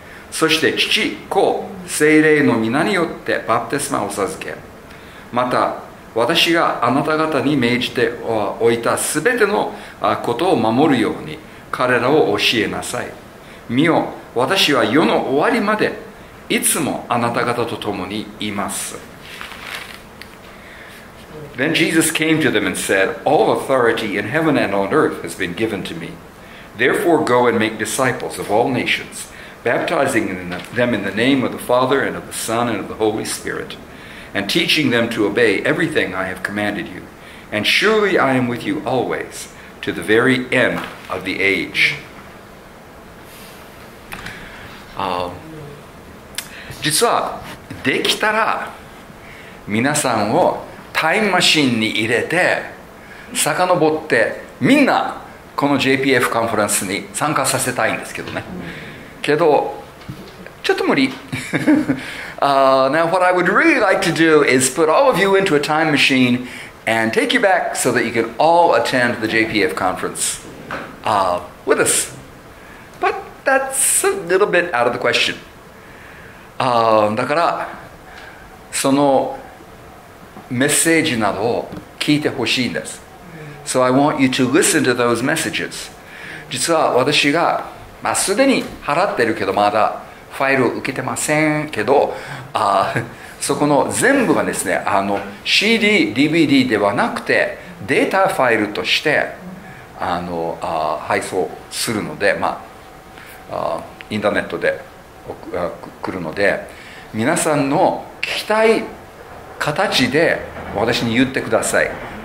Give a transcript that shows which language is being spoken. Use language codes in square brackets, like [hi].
[ja] そして父、子、聖霊の皆によってバプテスマを授け、また私があなた方に命じておいたすべてのことを守るように彼らを教えなさい。見よ、私は世の終わりまでいつもあなた方と共にいます。 [en] Then Jesus came to them and said, All authority in heaven and on earth has been given to me. Therefore go and make disciples of all nations. Baptizing them in the name of the Father and of the Son and of the Holy Spirit, and teaching them to obey everything I have commanded you. And surely I am with you always, to the very end of the age. [ja] 実はできたら皆さんをタイムマシンに入れて遡ってみんなこの JPF カンファレンスに参加させたいんですけどね。けど、ちょっと無理。 [en] Now, what I would really like to do is put all of you into a time machine and take you back so that you can all attend the JPF conference with us. But that's a little bit out of the question. [ja] だから、そのメッセージなどを聞いてほしいんです。 [en] So I want you to listen to those messages. [ja] 実は私が、まあ、すでに払ってるけどまだファイルを受けてませんけど、そこの全部がですね、CD、DVD ではなくてデータファイルとして配送するので、まあ、インターネットで来るので、皆さんの聞きたい形で私に言ってください。